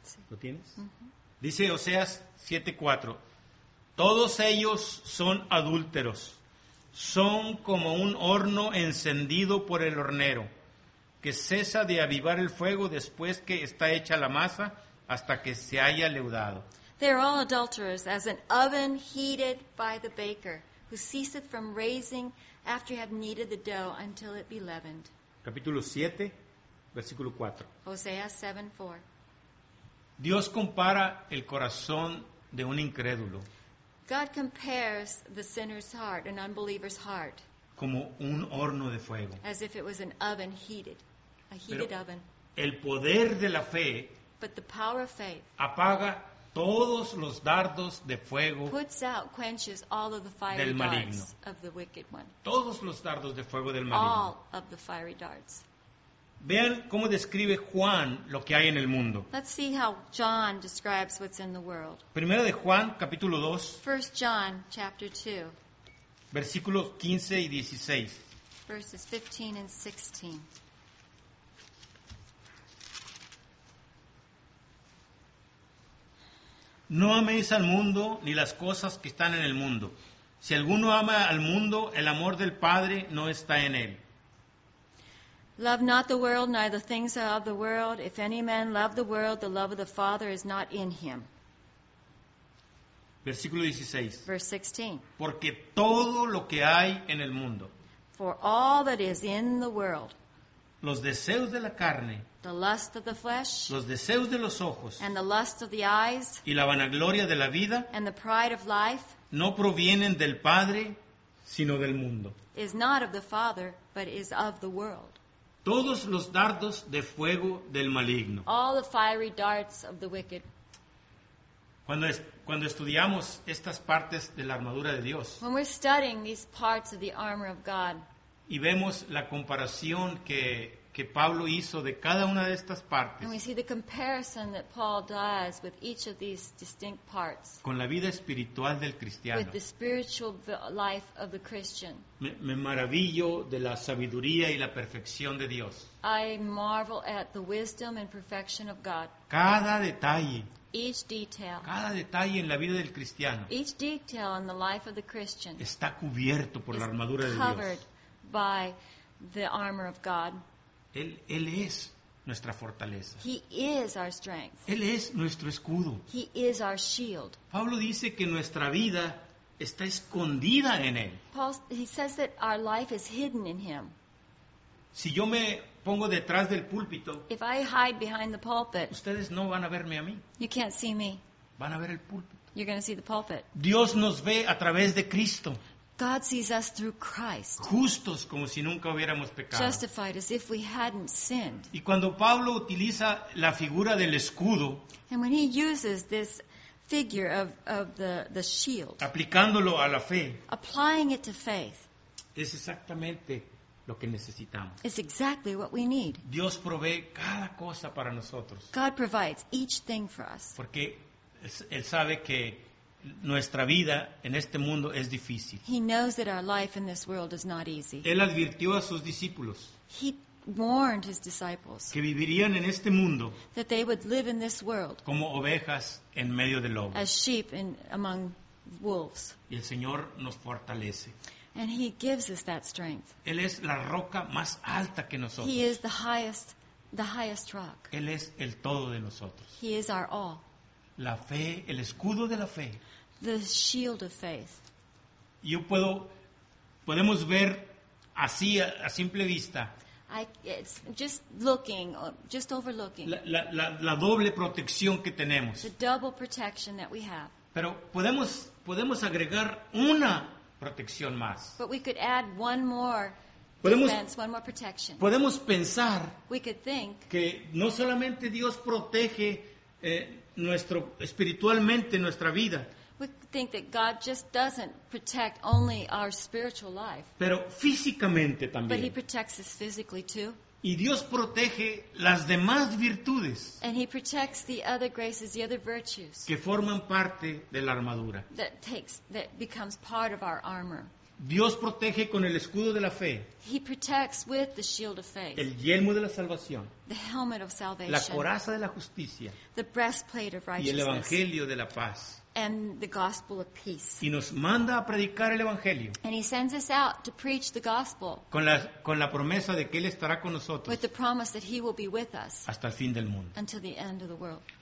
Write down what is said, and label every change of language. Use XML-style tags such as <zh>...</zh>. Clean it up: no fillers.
<es>¿Lo tienes? Dice Oseas 7:4. Todos ellos son adúlteros. Son como un horno encendido por el hornero, que cesa de avivar el fuego después que está hecha la masa, hasta que se haya leudado.</es> <en>They are all adulterers, as an oven heated by the baker, who ceaseth from raising after you have kneaded the dough until it be leavened.</en> <es>Capítulo 7, versículo 4.</es> <en>Hosea 7, 4.</en> <es>Dios compara el corazón de un incrédulo.</es> <en>God compares the sinner's heart, an unbeliever's heart,</en> <es>como un horno de fuego.</es> <en>As if it was an oven heated, a heated</en> <es>Pero</es> <en>oven.</en> <es>El poder de la fe,</es> <en>but the power of faith,</en> <es>apaga todos los dardos de fuego,</es> <en>puts out, quenches all of the fiery</en> <es>del maligno.</es> <en>Darts of the wicked one.</en> <es>Todos los dardos de fuego del maligno.</es> <en>All of the fiery darts.</en> <es>Vean cómo describe Juan lo que hay en el mundo.</es> <en>Let's see how John describes what's in the world.</en> <es>Primero de Juan, capítulo 2.</es> <en>1 John, chapter 2.</en> <es>Versículos 15 y 16.</es> <en>Verses 15 and 16.</en> <es>No améis al mundo ni las cosas que están en el mundo. Si alguno ama al mundo, el amor del Padre no está en él.</es> <en>Love not the world, neither things of the world. If any man love the world, the love of the Father is not in him.</en> <es>Versículo 16.</es> <en>Verse 16.</en> <es>Porque todo lo que hay en el mundo.</es> <en>For all that is in the world.</en> <es>Los deseos de la carne.</es> <en>The lust of the flesh.</en> <es>Los deseos de los ojos.</es> <en>And the lust of the eyes.</en> <es>Y la vanagloria de la vida.</es> <en>And the pride of life.</en> <es>No provienen del Padre, sino del mundo.</es> <en>Is not of the Father, but is of the world.</en> <es>Todos los dardos de fuego del maligno.</es> <en>All the fiery darts of the wicked.</en> <es>Cuando estudiamos estas partes de la armadura de Dios.</es> <en>When we're studying these parts of the armor of God.</en> <es>Y vemos la comparación que Pablo hizo de cada una de estas partes.</es> <en>And we see the comparison that Paul does with each of these distinct parts.</en> <es>Con la vida espiritual del cristiano.</es> <en>With the spiritual life of the Christian.</en> <es>Me maravillo de la sabiduría y la perfección de Dios.</es> <en>I marvel at the wisdom and perfection of God.</en> <es>Cada detalle.</es> <en>Each detail.</en> <es>Cada detalle en la vida del cristiano.</es> <en>Each detail in the life of the Christian.</en> <es>Está cubierto por la armadura de Dios.</es> <en>Covered by the armor of God.</en> <es>Él es nuestra fortaleza.</es> <en>He is our strength.</en> <es>Él es nuestro escudo.</es> <en>He is our shield.</en> <es>Pablo dice que nuestra vida está escondida en él.</es> <en>Paul, he says that our life is hidden in him.</en> <es>Si yo me pongo detrás del púlpito,</es> <en>if I hide behind the pulpit,</en> <es>ustedes no van a verme a mí.</es> <en>You can't see me.</en> <es>Van a ver el púlpito.</es> <en>You're going to see the pulpit.</en> <es>Dios nos ve a través de Cristo.</es> <en>God sees us through Christ.</en> <es>Justos como si nunca hubiéramos pecado.</es> <en>Justified as if we hadn't sinned.</en> <es>Y cuando Pablo utiliza la figura del escudo,</es> <en>and when he uses this figure of the shield,</en> <es>aplicándolo a la fe,</es> <en>applying it to faith,</en> <es>es exactamente lo que necesitamos.</es> <en>It's exactly what we need.</en> <es>Dios provee cada cosa para nosotros.</es> <en>God provides each thing for us.</en> <es>Porque él sabe que nuestra vida en este mundo es difícil.</es> <en>He knows that our life in this world is not easy.</en> <es>Él advirtió a sus discípulos.</es> <en>He warned his disciples.</en> <es>Que vivirían en este mundo.</es> <en>That they would live in this world.</en> <es>Como ovejas en medio de lobos.</es> <en>As sheep among wolves.</en> <es>Y el Señor nos fortalece.</es> <en>And he gives us that strength.</en> <es>Él es la roca más alta que nosotros.</es> <en>He is the highest rock.</en> <es>Él es el todo de nosotros.</es> <en>He is our all.</en> <es>La fe, el escudo de la fe.</es> <en>The shield of faith.</en> <es>Yo puedo, podemos ver así a simple vista.</es> <en>It's just looking, just overlooking.</en> <es>La doble protección que tenemos.</es> <en>The double protection that we have.</en> <es>Pero podemos agregar una protección más.</es> <en>But we could add one more defense, one more protection.</en> <es>Podemos pensar,</es> <en>we could think,</en> <es>que no solamente Dios protege nuestro espiritualmente nuestra vida.</es> <en>We think that God just doesn't protect only our spiritual life.</en> <es>Pero físicamente también.</es> <en>But he protects us physically too.</en> <es>Y Dios protege las demás virtudes.</es> <en>And he protects the other graces, the other virtues.</en> <es>Que forman parte de la armadura.</es> <en>That becomes part of our armor.</en> <es>Dios protege con el escudo de la fe.</es> <en>He protects with the shield of faith.</en> <es>El yelmo de la salvación.</es> <en>The helmet of salvation.</en> <es>La coraza de la justicia.</es> <en>The breastplate of righteousness.</en> <es>Y el evangelio de la paz.</es> <en>And the gospel of peace.</en> <es>Y nos manda a predicar el evangelio.</es> <en>And he sends us out to preach the gospel.</en> <es>Con la promesa de que él estará con nosotros.</es> <en>With the promise that he will be with us.</en> <es>Hasta el fin del mundo.</es> <en>Until the end of the world.</en>